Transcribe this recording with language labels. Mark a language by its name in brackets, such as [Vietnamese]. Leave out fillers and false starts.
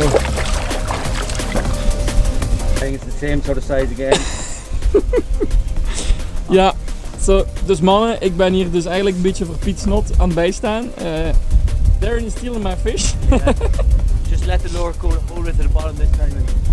[English] I think it's the same sort of size again. [Dutch] Ja, so, dus mannen, ik ben hier dus eigenlijk een beetje voor Piet Snot aan het bijstaan. [English] Darren is stealing my fish. Yeah. Just let the lure go all the way to the bottom this time.